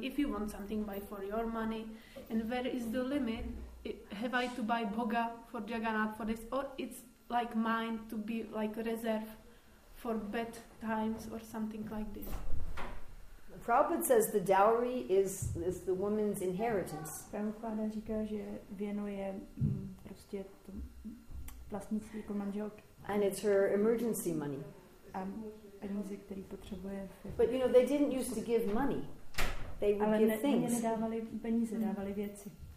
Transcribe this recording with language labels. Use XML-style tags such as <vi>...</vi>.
<en>If you want something, buy for your money. And where is the limit? Have I to buy Boga for Jagannath for this? Or it's like mine to be like a reserve for bad times or something like this. Prabhupada says the dowry is the woman's inheritance.</en> <cs>Prabhupada říká, že věno je prostě to vlastnictví jako manželky.</cs> <en>And it's her emergency money.</en> <cs>Peníze, který potřebuje.</cs> <en>But you know, they didn't used to give money. They would give things.</en> <cs>Ale nedávali peníze, dávali věci.</cs>